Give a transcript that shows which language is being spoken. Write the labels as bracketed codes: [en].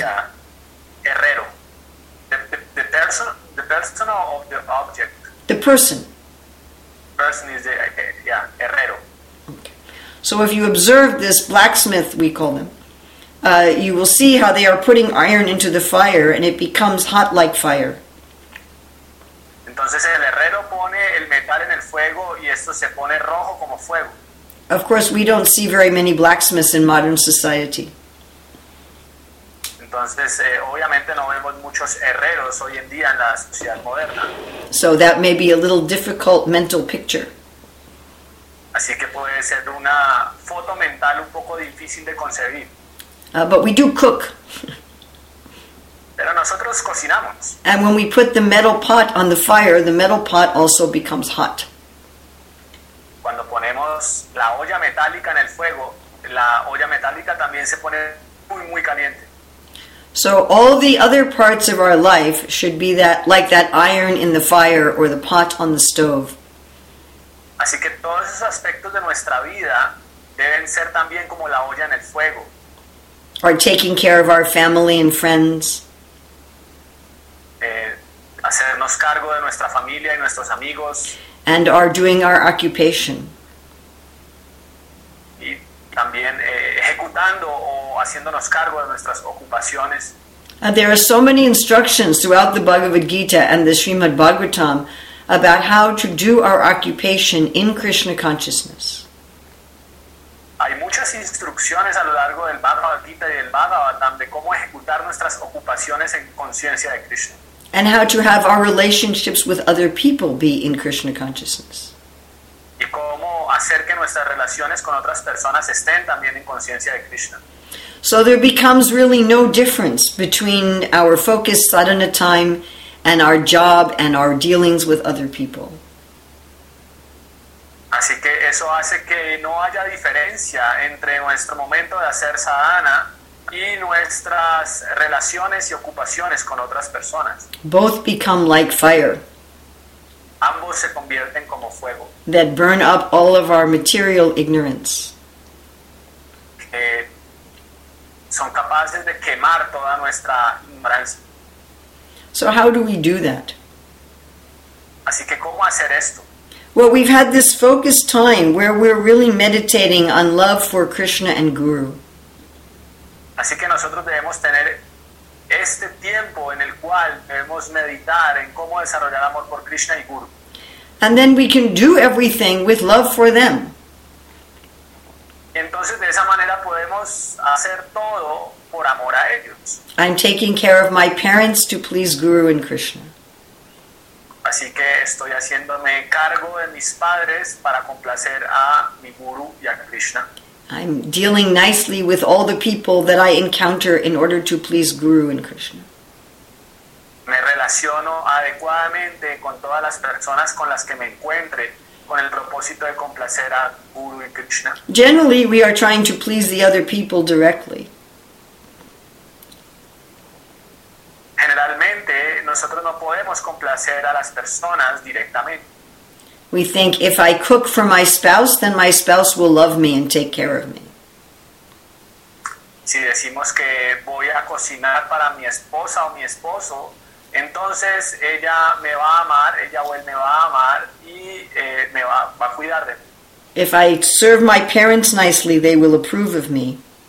[en] Yeah. Herrero. The person or the object? The person. Person is the, yeah, herrero. Okay. So if you observe this blacksmith, we call them, you will see how they are putting iron into the fire and it becomes hot like fire. [es] Entonces el herrero pone el metal en el fuego y esto se pone rojo como fuego. [en] Of course, we don't see very many blacksmiths in modern society. [es] Entonces, obviamente no vemos muchos herreros hoy en día en la sociedad moderna. [en] So that may be a little difficult mental picture. [es] Así que puede ser una foto mental un poco difícil de concebir. [en] But we do cook. [es] Pero nosotros cocinamos. [en] And when we put the metal pot on the fire, the metal pot also becomes hot. [es] Cuando ponemos la olla metálica en el fuego, la olla metálica también se pone muy, muy caliente. [en] So all the other parts of our life should be that, like that iron in the fire or the pot on the stove. [es] Así que todos esos aspectos de nuestra vida deben ser también como la olla en el fuego. [en] Or taking care of our family and friends. [es] Hacernos cargo de nuestra familia y nuestros amigos. [en] And are doing our occupation. [es] También ejecutando o haciéndonos cargo de nuestras ocupaciones. [en] And there are so many instructions throughout the Bhagavad Gita and the Srimad Bhagavatam about how to do our occupation in Krishna consciousness. [es] Hay muchas instrucciones a lo largo del Bhagavad Gita y del Bhagavatam de cómo ejecutar nuestras ocupaciones en conciencia de Krishna. [en] And how to have our relationships with other people be in Krishna consciousness. [es] Y cómo hacer que nuestras relaciones con otras personas estén también en conciencia de Krishna. [en] So there becomes really no difference between our focus, sadhana time, and our job and our dealings with other people. [es] Así que eso hace que no haya diferencia entre nuestro momento de hacer sadhana y nuestras relaciones y ocupaciones con otras personas. [en] Both become like fire. [es] Ambos se convierten como fuego. [en] That burn up all of our material ignorance. [es] Que son capaces de quemar toda nuestra ignorancia. [en] So how do we do that? [es] Así que ¿cómo hacer esto? [en] Well, we've had this focused time where we're really meditating on love for Krishna and Guru. [es] Así que nosotros debemos tener este tiempo en el cual debemos meditar en cómo desarrollar amor por Krishna y Guru. [en] And then we can do everything with love for them. [es] Entonces de esa manera podemos hacer todo por amor a ellos. [en] I'm taking care of my parents to please Guru and Krishna. [es] Así que estoy haciéndome cargo de mis padres para complacer a mi Guru y a Krishna. [en] I'm dealing nicely with all the people that I encounter in order to please Guru and Krishna. [es] Me relaciono adecuadamente con todas las personas con las que me encuentre con el propósito de complacer a Guru y Krishna. [en] Generally, we are trying to please the other people directly. [es] Generalmente, nosotros no podemos complacer a las personas directamente. [en] We think, if I cook for my spouse, then my spouse will love me and take care of me. [es] Si decimos que voy a cocinar para mi esposa o mi esposo, entonces ella me va a amar, ella o él me va a amar y me va a cuidar de mí. [en] If I serve my parents nicely, they will approve of me.